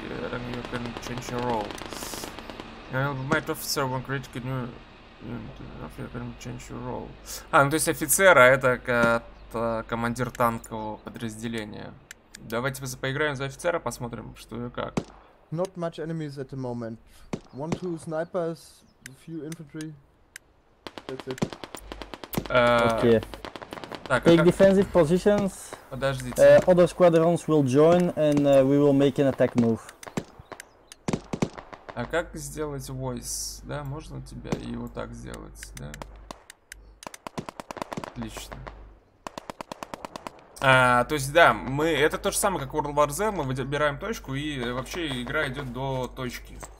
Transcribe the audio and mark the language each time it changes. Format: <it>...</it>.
<en>Then you can change your role. New Megatron Officer when recruited a new unit. Then you can change your role.</en> <ru>А, ну то есть офицер, а это командир танкового подразделения. Давайте поиграем за офицера, посмотрим, что и как.</ru> <en>Not much enemies at the moment. One, two snipers, a few infantry. That's it. Okay.</en> <ru>Так,</ru> <en>take defensive positions.</en> <ru>Подождите.</ru> <en>Other squadrons will join and we will make an attack move.</en> <ru>А как сделать voice? Да, можно тебя и вот так сделать, да? Отлично. То есть, да, мы. Это то же самое, как World War Z, мы выбираем точку, и вообще игра идет до точки.</ru>